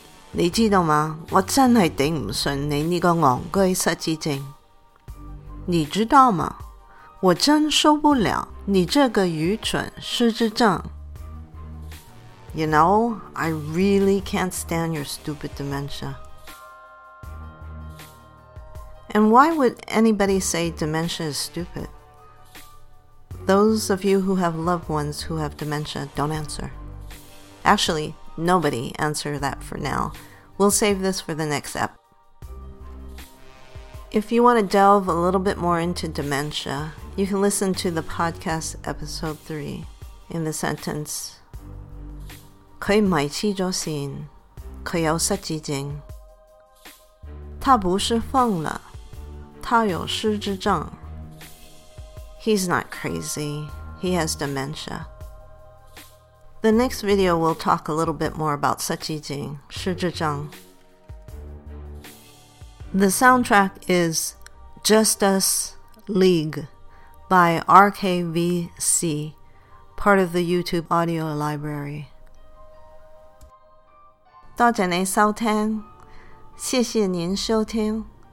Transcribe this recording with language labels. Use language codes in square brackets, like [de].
[zh] 你知道吗我真是顶不顺你这个戆居失智症你知道吗我真受不了你这个愚蠢失智症 [en] You know, I really can't stand your stupid dementia. And why would anybody say dementia is stupid? Those of you who have loved ones who have dementia, don't answer. Actually, nobody answer that for now. We'll save this for the next ep. If you want to delve a little bit more into dementia, you can listen to the podcast episode 3 in the sentence. [zh] 可以买起就行，可以设计定。他不是疯了。他有失智症。 [en] He's not crazy. He has dementia. The next video will talk a little bit more about 失智症、失智症。 The soundtrack is Justice League by RKVC, part of the YouTube audio library. [zh] 多谢您收听，谢谢您收听。